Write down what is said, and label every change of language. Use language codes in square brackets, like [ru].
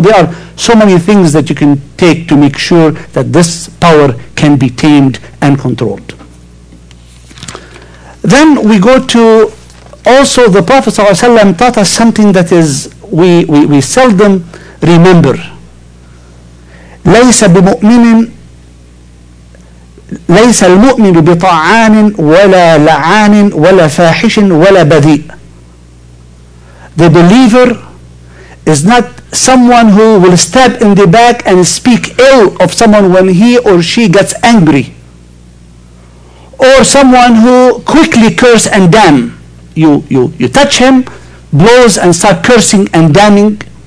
[en] There are so many things that you can take to make sure that this power can be tamed and controlled. Then we go to, also the Prophet ﷺ taught us something that is we seldom remember. [ar] لَيْسَ بِمُؤْمِنٍ ليس المؤمن بطعان ولا لعان ولا فاحش ولا بذيء. [en] The believer is not someone who will stab in the back and speak ill of someone when he or she gets angry, or someone who quickly curse and damn. You touch him, blows and start cursing and damning.